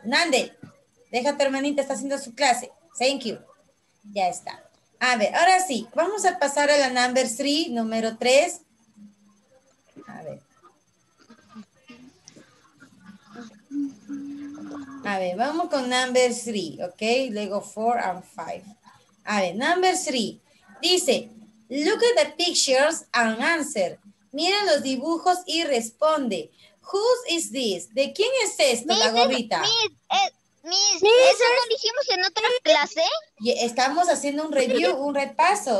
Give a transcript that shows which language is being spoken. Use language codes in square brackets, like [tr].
[es] Nandel, deja a tu hermanita, está haciendo su clase. [en] Thank you. [es] Ya está. A ver, ahora sí, vamos a pasar a la [en] number three, [es] número tres. A ver. A ver, vamos con [en] number three, [es] ¿ok? Luego [en] four and five. [es] A ver, [en] number three. [es] Dice, [en] look at the pictures and answer. [es] Mira los dibujos y responde. [en] Whose is this? [es] ¿De quién es esto, la gorrita? ¿Eso lo dijimos en otra clase? Y estamos haciendo un review, un repaso.